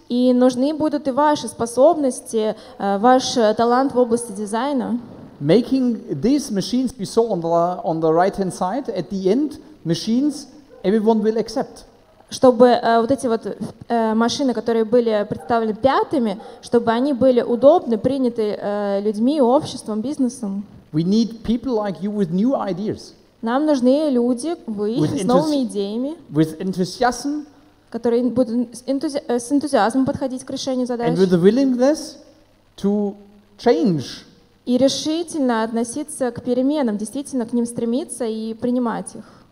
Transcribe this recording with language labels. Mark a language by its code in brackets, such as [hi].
[ru] И нужны будут и ваши способности, ваш талант в области дизайна. [en] Making these machines be so on the right hand side, at the end machines everyone will accept. [ru] Чтобы вот эти вот машины, которые были представлены пятыми, чтобы они были удобны, приняты людьми, обществом, бизнесом. [en] We need people like you with new ideas. [ru] Нам нужны люди, вы, с новыми идеями. [en] With enthusiasm. [ru] Которые будут с энтузиазмом подходить к решению задач. [en] And with the willingness to change. [ru] И решительно относиться к переменам, действительно к ним стремиться и принимать их.